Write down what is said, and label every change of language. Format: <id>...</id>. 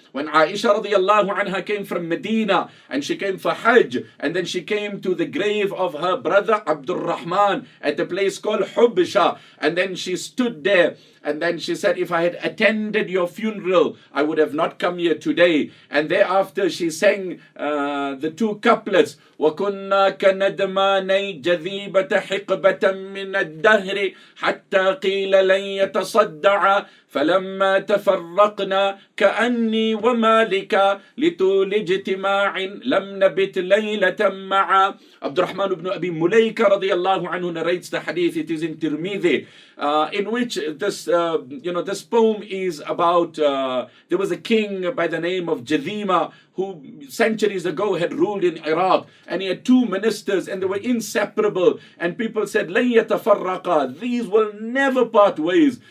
<en>When Aisha radiallahu anha came from Medina and she came for Hajj, and then she came to the grave of her brother Abdul Rahman at the place called Hubsha, and then she stood there and then she said, if I had attended your funeral, I would have not come here today. And thereafter she sang the two couplets,</en> <ar>وَكُنَّا كَنَدْمَانَيْ جَذِيبَةَ حِقْبَةً مِّنَ الدَّهْرِ حَتَّى قِيلَ لَنْ يَتَصَدَّعَ فَلَمَّا تَفَرَّقْنَا كَأَنِّي وَمَالِكَ لِتُولِ اجْتِمَاعٍ لَمْ نَبِتْ لَيْلَةً مَعَا.</ar> <en>Abdurrahman ibn Abi Mulayka radiallahu anhu narrates the hadith, it is in Tirmidhi, in which this this poem is about, there was a king by the name of Jadhima who centuries ago had ruled in Iraq, and he had two ministers and they were inseparable, and people said,</en> <ar>لَنْ يَتَفَرَّقَا,</ar> <en>these will never part ways.</en>